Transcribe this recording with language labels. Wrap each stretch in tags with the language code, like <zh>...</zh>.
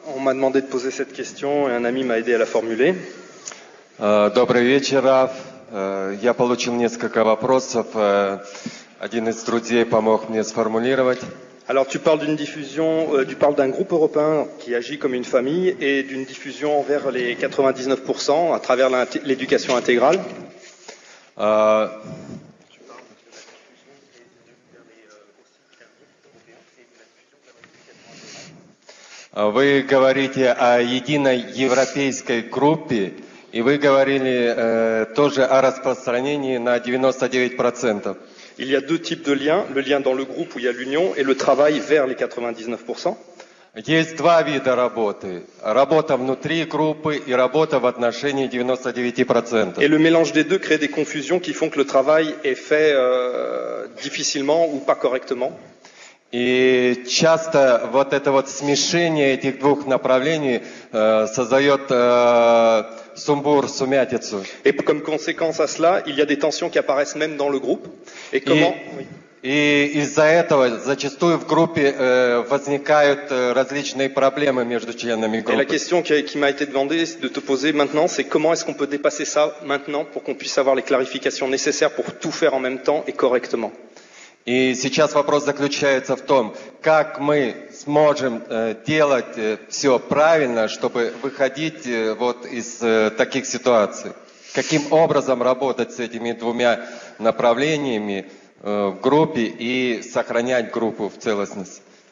<fr>On m'a demandé de poser cette question et un ami m'a aidé à la formuler.</fr> <ru>Добрый вечер, Рав. Я получил несколько вопросов. Один из друзей помог мне сформулировать.</ru> <fr>Alors, tu parles d'une diffusion, tu parles d'un groupe européen qui agit comme une famille et d'une diffusion vers les 99% à travers l'éducation intégrale.</fr> <ru>Вы говорите о единой европейской группе, и вы говорили тоже о распространении на 99%.</ru> <fr>Il y a deux types de liens, le lien dans le groupe où il y a l'union et le travail vers les 99%.</fr> <ru>Есть два вида работы. Работа внутри группы и работа в отношении 99%.</ru> <fr>Et le mélange des deux crée des confusions qui font que le travail est fait difficilement ou pas correctement.</fr> <ru>И часто вот это вот смешение этих двух направлений создает сумбур, сумятицу.</ru> <fr>Et comme conséquence à cela, il y a des tensions qui apparaissent même dans le groupe. Et comment?</fr> <ru>И из-за этого зачастую в группе возникают различные проблемы между членами группы.</ru> <fr>Et la question qui m'a été demandée de te poser maintenant, c'est comment est-ce qu'on peut dépasser ça maintenant pour qu'on puisse avoir les clarifications nécessaires pour tout faire en même temps et correctement.</fr> <ru>И сейчас вопрос заключается в том, как мы сможем делать все правильно, чтобы выходить вот из таких ситуаций. Каким образом работать с этими двумя направлениями в группе и сохранять группу в целостности?</ru>